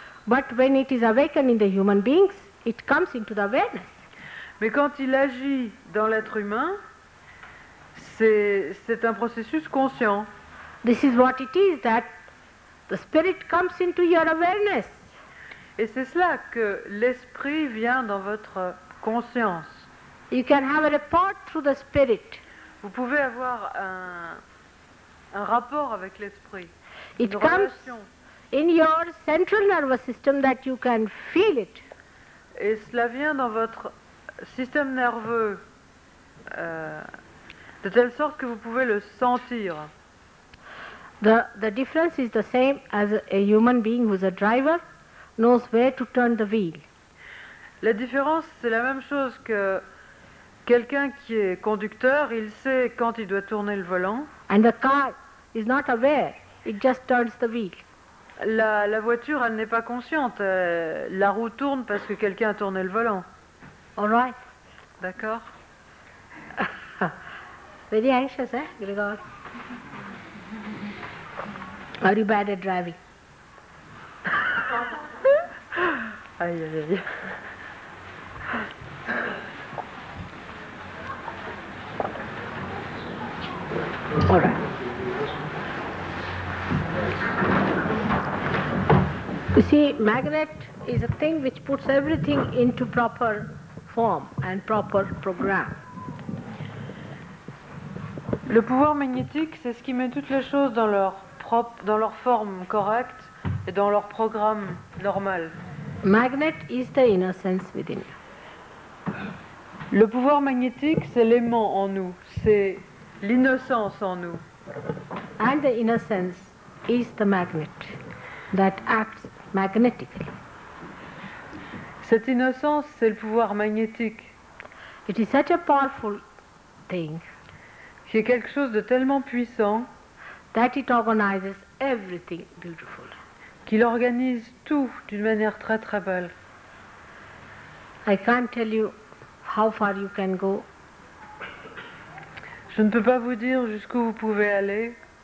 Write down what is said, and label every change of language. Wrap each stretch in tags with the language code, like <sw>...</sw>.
<en>But when it is awakened in the human beings, it comes into the awareness.</en> <fr>Mais quand il agit dans l'être humain. C'est un processus conscient.</fr> <en>This is what it is, that the spirit comes into your awareness.</en> <fr>Et c'est cela que l'esprit vient dans votre conscience.</fr> <en>You can have a report through the spirit.</en> <fr>Vous pouvez avoir un rapport avec l'esprit.</fr> <en>It comes in your central nervous system that you can feel it.</en> <fr>Et cela vient dans votre système nerveux. De telle sorte que vous pouvez le sentir.</fr> <en>The difference is the same as a human being who's a driver knows where to turn the wheel.</en> <fr>La différence, c'est la même chose que quelqu'un qui est conducteur, il sait quand il doit tourner le volant.</fr> <en>And the car is not aware, it just turns the wheel.</en> <fr>La voiture, elle n'est pas consciente. La roue tourne parce que quelqu'un a tourné le volant.</fr> <en>All right.</en> <fr>D'accord.</fr> <en>Very anxious, eh, Grigor? Are you bad at driving? Aïe, aïe, aïe. All right. You see, magnet is a thing which puts everything into proper form and proper program.</en> <fr>Le pouvoir magnétique, c'est ce qui met toutes les choses dans leur forme correcte et dans leur programme normal.</fr> <en>Magnet is the innocence within you.</en> <fr>Le pouvoir magnétique, c'est l'aimant en nous, c'est l'innocence en nous.</fr> <en>And the innocence is the magnet that acts magnetically.</en> <fr>Cette innocence, c'est le pouvoir magnétique.</fr> <en>It is such a powerful thing.</en> <fr>Qui est quelque chose de tellement puissant</fr> <en>that it organizes everything beautiful.</en> <fr>qu'il organise tout d'une manière très très belle.</fr> <en>I can't tell you how far you can go.</en> <fr>Je ne peux pas vous dire jusqu'où vous pouvez aller.</fr>